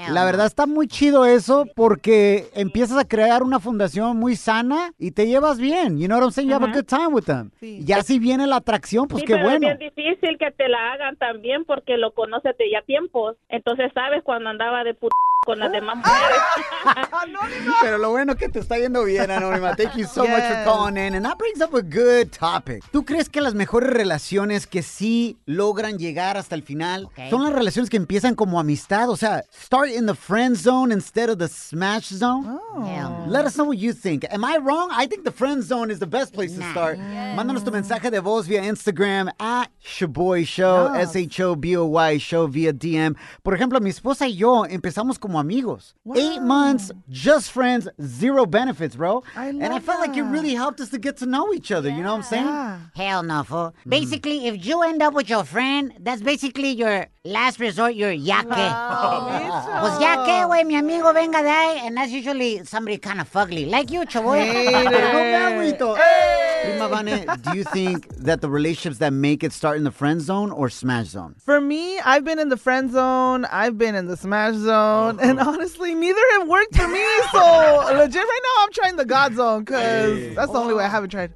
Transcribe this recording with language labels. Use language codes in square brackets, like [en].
[es] La verdad, está muy chido eso porque empiezas a crear una fundación muy sana y te llevas bien. [en] You know what I'm saying? You have a good time with them. [es] Y así viene la atracción, pues sí, qué pero bueno. Es bien difícil que te la hagan también porque lo conoces de ya tiempos. Entonces, ¿sabes? Cuando andaba de con las demás mujeres. Anónima. Pero lo bueno es que te está yendo bien, Anónima. [en] Thank you so much for calling in. And that brings up a good topic. [es] ¿Tú crees que las mejores relaciones que sí logran llegar hasta el final son las relaciones que empiezan como amistad? O sea, [en] start in the friend zone instead of the smash zone. Let us know what you think. Am I wrong? I think the friend zone is the best place to start. [es] Mándanos tu mensaje de voz vía Instagram at Shaboy Show, S-H-O-B-O-Y Show vía DM. Por ejemplo, mi esposa y yo empezamos como amigos. [en] 8 months, just friends, zero benefits, bro. I felt like it really helped us to get to know each other. You know what I'm saying? Hell no, fool. Basically, if you end up with your friend, that's basically your last resort, your yaque. [es] Pues yaque, güey, mi amigo, venga de ahí. [en] And that's usually somebody kind of fugly. Like you, chavoy. Prima Vane, do you think that the relationships that make it start in the friend zone or smash zone? For me, I've been in the friend zone. I've been in the smash zone. And honestly, neither have worked for me. So legit right now, I'm trying the God zone because that's the only way I haven't tried.